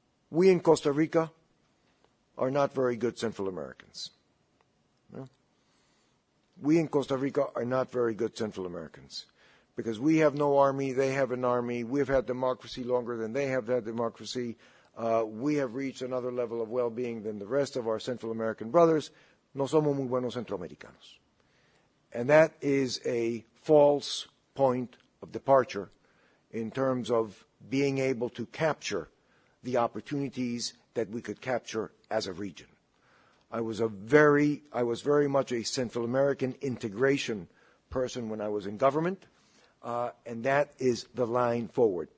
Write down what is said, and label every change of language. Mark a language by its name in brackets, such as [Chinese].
[English] We in Costa Rica are not very good Central Americans. We in Costa Rica are not very good Central Americans because we have no army, they have an army, we've had democracy longer than they have had democracy, we have reached another level of well-being than the rest of our Central American brothers. [Spanish] No somos muy buenos centroamericanos. [English] And that is a false point of departure in terms of being able to capture the opportunities that we could capture as a region. I was very much a Central American integration person when I was in government, and that is the line forward.